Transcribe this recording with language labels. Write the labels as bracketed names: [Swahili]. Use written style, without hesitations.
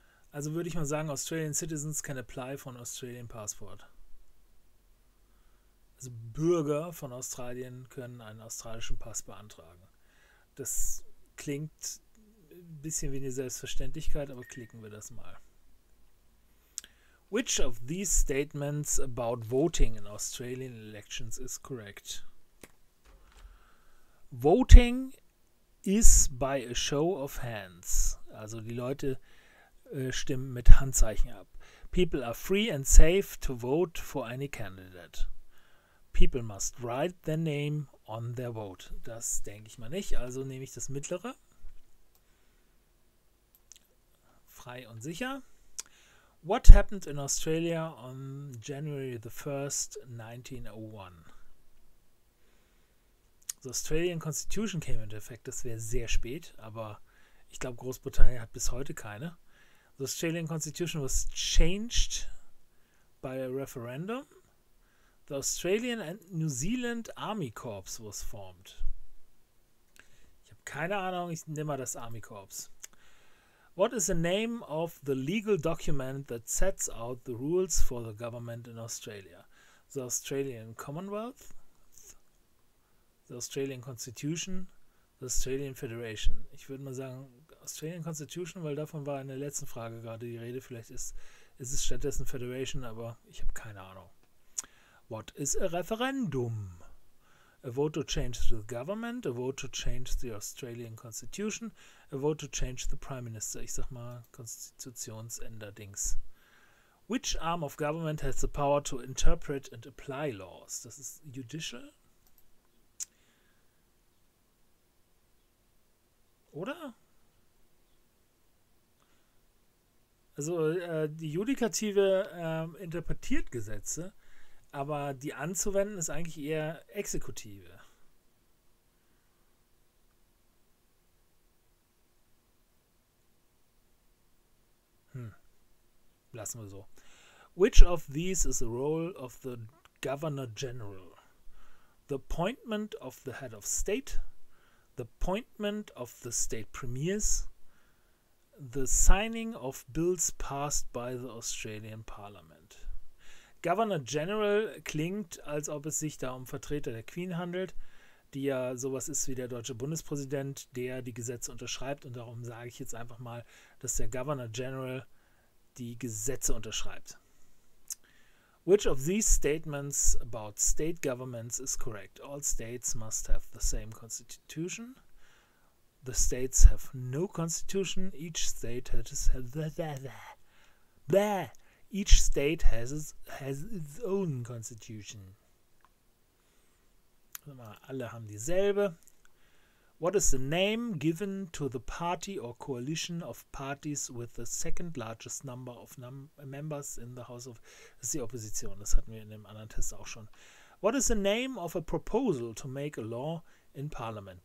[German] Also würde ich mal sagen, [English] Australian Citizens can apply for an Australian Passport. [German] Also Bürger von Australien können einen australischen Pass beantragen. Das klingt ein bisschen wie eine Selbstverständlichkeit, aber klicken wir das mal. [English] Which of these statements about voting in Australian elections is correct? Voting is by a show of hands. [German] Also die Leute stimmen mit Handzeichen ab. [English] People are free and safe to vote for any candidate. People must write their name on their vote. [German] Das denke ich mal nicht. Also nehme ich das mittlere. Frei und sicher. [English] What happened in Australia on January the 1st, 1901? The Australian Constitution came into effect. [German] Das wäre sehr spät, aber ich glaube, Großbritannien hat bis heute keine. [English] The Australian Constitution was changed by a referendum. The Australian and New Zealand Army Corps was formed. [German] Ich habe keine Ahnung, ich nehme mal das Army Corps. [English] What is the name of the legal document that sets out the rules for the government in Australia? The Australian Commonwealth. The Australian Constitution, the Australian Federation. [German] Ich würde mal sagen, Australian Constitution, weil davon war in der letzten Frage gerade die Rede. Vielleicht ist es stattdessen Federation, aber ich habe keine Ahnung. [English] What is a referendum? A vote to change the government, a vote to change the Australian Constitution, a vote to change the Prime Minister. [German] Ich sag mal, Konstitutionsänderdings. [English] Which arm of government has the power to interpret and apply laws? [German] Das ist judicial. Oder? Also die Judikative interpretiert Gesetze, aber die anzuwenden ist eigentlich eher Exekutive. Lassen wir so. [English] Which of these is the role of the Governor General? The appointment of the head of state? The appointment of the state premiers, the signing of bills passed by the Australian Parliament. [German] Governor General klingt, als ob es sich da um Vertreter der Queen handelt, die ja sowas ist wie der deutsche Bundespräsident, der die Gesetze unterschreibt. Und darum sage ich jetzt einfach mal, dass der Governor General die Gesetze unterschreibt. [English] Which of these statements about state governments is correct? All states must have the same constitution. The states have no constitution. Each state has its own constitution. [German] Alle haben dieselbe. [English] What is the name given to the party or coalition of parties with the second largest number of members in the House of... [German] Das ist die Opposition, das hatten wir in dem anderen Test auch schon. [English] What is the name of a proposal to make a law in Parliament?